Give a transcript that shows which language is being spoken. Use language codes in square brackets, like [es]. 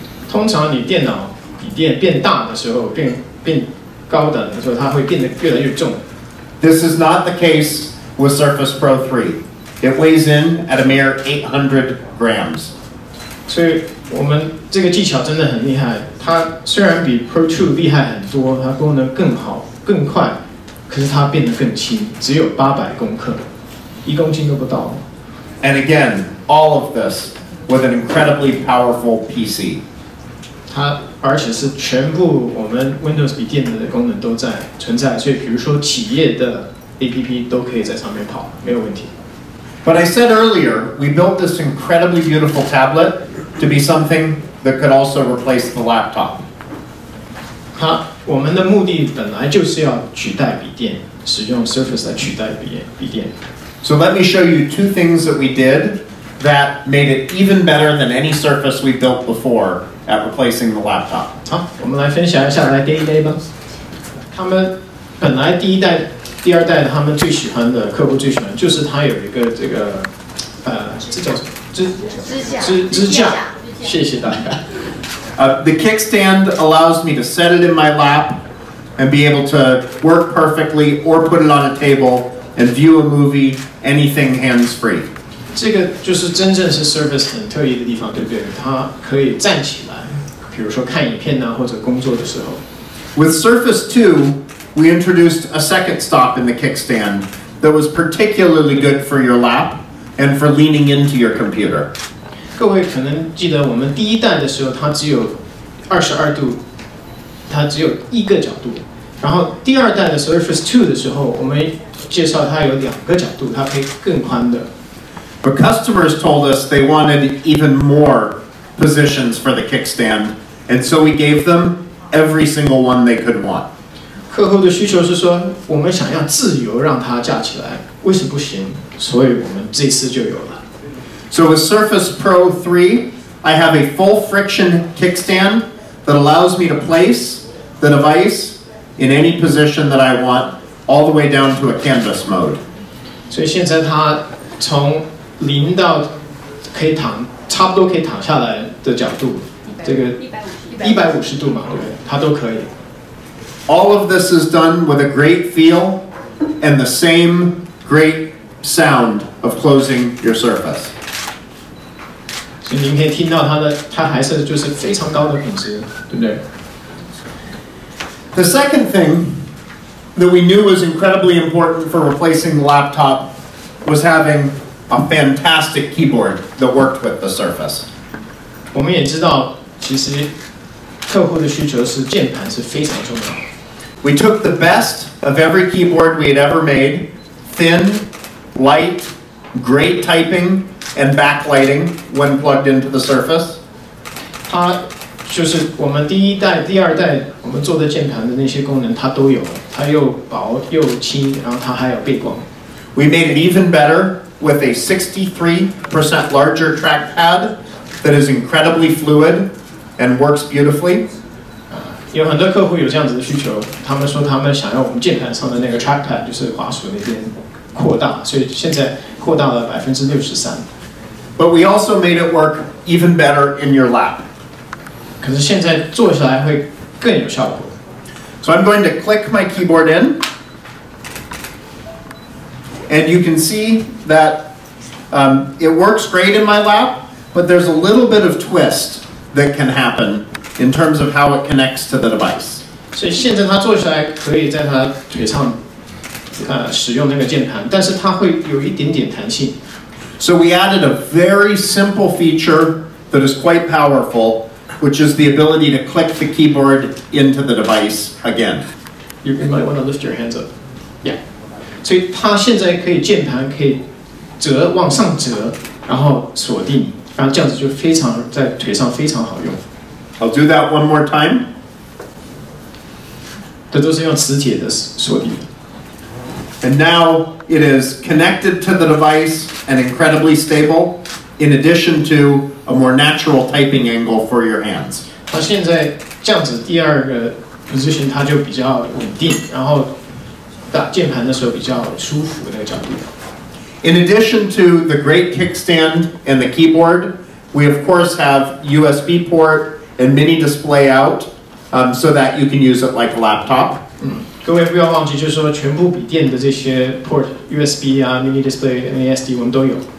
[zh] 通常你电脑比电变大的时候，变高等的时候，它会变得越来越重。 [en] This is not the case with Surface Pro 3. It weighs in at a mere 800 grams. [zh] 所以我们这个技巧真的很厉害。它虽然比 Pro 2厉害很多，它功能更好、更快，可是它变得更轻，只有800克，一公斤都不到。 [en] And again, all of this with an incredibly powerful PC. [zh] 它而且是全部我们 Windows 笔电的功能都在存在，所以比如说企业的 APP 都可以在上面跑，没有问题。 [en] But I said earlier, we built this incredibly beautiful tablet to be something that could also replace the laptop. [zh] 我们的目的本来就是要取代笔电，使用 Surface 来取代笔电。 [en] So let me show you two things that we did that made it even better than any Surface we built before at replacing the laptop. [zh] 好，我们来分享一下来第一代吧。他们本来第一代。第二代他们最喜欢的客户最喜欢就是他有一个这个支架，谢谢大家。 [en] The kickstand allows me to set it in my lap and be able to work perfectly or put it on a table and view a movie anything hands free. [zh] 这个就是真正是 Surface 很特异的地方，对不对？它可以站起来，比如说看影片啊，或者工作的时候。 [en] With Surface 2. We introduced a second stop in the kickstand that was particularly good for your lap and for leaning into your computer. [zh] 各位可能记得我们第一代的时候，它只有22度，它只有一个角度。然后第二代的 Surface 2的时候，我们介绍它有两个角度，它可以更宽的。 [en] But customers told us they wanted even more positions for the kickstand, and so we gave them every single one they could want. [zh] 客户的需求是说，我们想要自由让它架起来，为什么不行？所以我们这次就有了。 [en] So with Surface Pro 3, I have a full friction kickstand that allows me to place the device in any position that I want, all the way down to a canvas mode. [zh] 所以现在它从零到可以躺，差不多可以躺下来的角度，这个150度嘛，对，它都可以。 [en] All of this is done with a great feel and the same great sound of closing your Surface. [zh] 所以您可以听到它还是就是非常高的品质，对不对？ [en] The second thing that we knew was incredibly important for replacing the laptop was having a fantastic keyboard that worked with the Surface. [zh] 我们也知道其实客户的需求是键盘是非常重要的。 [en] We took the best of every keyboard we had ever made, thin, light, great typing, and backlighting when plugged into the Surface. [zh] 它就是我们第一代、第二代我们做的键盘的那些功能，它都有。它又薄又轻，然后它还有背光。 [en] We made it even better with a 63% larger trackpad that is incredibly fluid and works beautifully. [zh] 有很多客户有这样子的需求，他们说他们想要我们键盘上的那个 trackpad， 就是滑鼠那边扩大，所以现在扩大了63%。 [en] But we also made it work even better in your lap. [zh] 可是现在坐下来会更有效果。 [en] So I'm going to click my keyboard in. And you can see that it works great in my lap, but there's a little bit of twist that can happen in terms of how it connects to the device. [zh] So 现在他坐下来可以在他腿上，使用那个键盘，但是它会有一点点弹性。 [en] So we added a very simple feature that is quite powerful, which is the ability to click the keyboard into the device again. You might want to lift your hands up. Yeah. [zh] 所以它现在可以键盘可以折往上折，然后锁定，然后这样子就非常在腿上非常好用。 [en] I'll do that one more time。 [zh] 这都是用磁铁的锁定。 [en] And now it is connected to the device and incredibly stable, in addition to a more natural typing angle for your hands。 [zh] 它现在这样子，第二个 position 它就比较稳定，然后。键盘的时候比较舒服的角度。 [en] In addition to the great kickstand and the keyboard, we of course have USB port and mini display out, so that you can use it like a laptop.、 [zh] 各位不要忘记，就是说全部笔电的这些 port USB 啊 ，mini display NASD 我们都有。